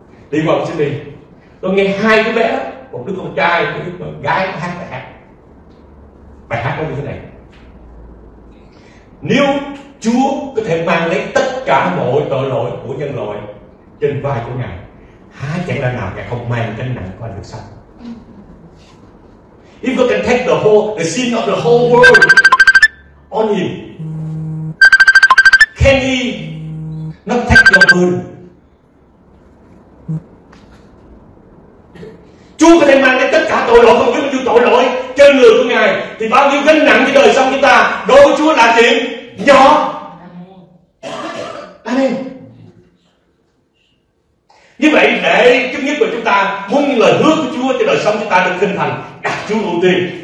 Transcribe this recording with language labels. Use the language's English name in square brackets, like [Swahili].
[Vietnamese] Đi qua bên Sydney, tôi nghe hai đứa bé, một đứa con trai, một đứa con gái hát bài hát. Bài hát nó như thế này: nếu Chúa có thể mang lấy tất cả mọi tội lỗi của nhân loại trên vai của Ngài, há chẳng là nào Ngài không mang gánh nặng của anh được sao? [English] If you can take the sin of the whole world on you, can He not take your burden? [Vietnamese] Chúa có thể mang lấy tất cả tội lỗi, không biết bao nhiêu tội lỗi trên người của Ngài, thì bao nhiêu gánh nặng trên đời sống chúng ta đối với Chúa là chuyện nhỏ. Amen. Như vậy để chấp nhất của chúng ta muốn những lời hứa của Chúa cho đời sống chúng ta được hình thành, đặt Chúa ưu tiên.